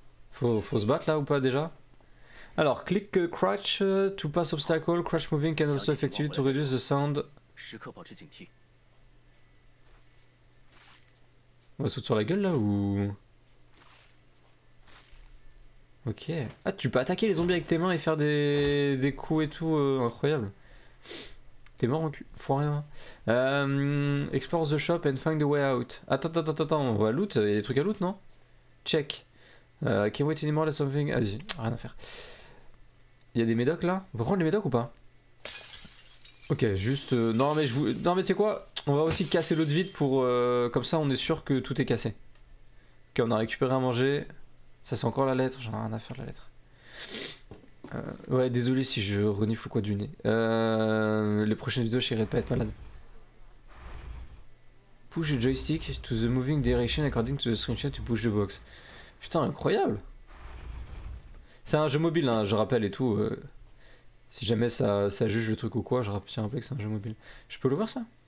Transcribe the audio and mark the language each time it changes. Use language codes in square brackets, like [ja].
[fr] Faut se battre là ou pas déjà? Alors, [en] click crouch to pass obstacle, crouch moving can also effectively to reduce the sound. [fr] On va sauter sur la gueule là ou... Ok. Ah, tu peux attaquer les zombies avec tes mains et faire des coups et tout, incroyable. T'es mort en cul, faut rien. [en] Explore the shop and find the way out. [fr] Attends, on va loot, il y a des trucs à loot, non? [en] Check. Can't wait anymore, there's something. [fr] Vas-y, rien à faire. Il y a des médocs là? On va prendre les médocs ou pas? Ok, juste. Non, mais tu sais quoi? On va aussi casser l'autre vide pour. Comme ça, on est sûr que tout est cassé. Ok, on a récupéré à manger. Ça, c'est encore la lettre, j'en ai rien à faire de la lettre. Ouais, désolé si je renifle quoi du nez. Les prochaines vidéos, j'irai pas être malade. [en] Push the joystick to the moving direction according to the screenshot to push the box. [fr] Putain, incroyable! C'est un jeu mobile, hein, je rappelle et tout. Si jamais ça juge le truc ou quoi, je tiens à rappeler que c'est un jeu mobile. Je peux l'ouvrir ça?